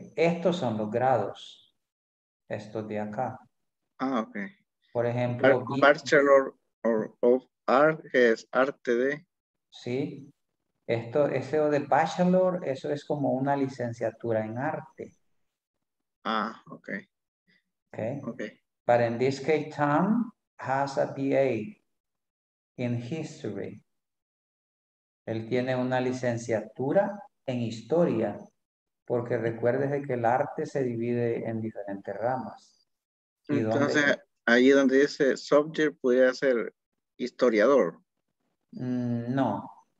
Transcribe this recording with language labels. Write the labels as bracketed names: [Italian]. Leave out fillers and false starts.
[Spanish] Estos son los grados. Estos de acá. Ah, ok. Por ejemplo. Bachelor of Art es arte de. Sí. Esto, ese de bachelor, eso es como una licenciatura en arte. Okay. [English] But in this case, Tom has a BA in history. [Spanish] Él tiene una licenciatura en historia, porque recuérdese que el arte se divide en diferentes ramas. Entonces, ahí donde dice subject, puede ser historiador. No.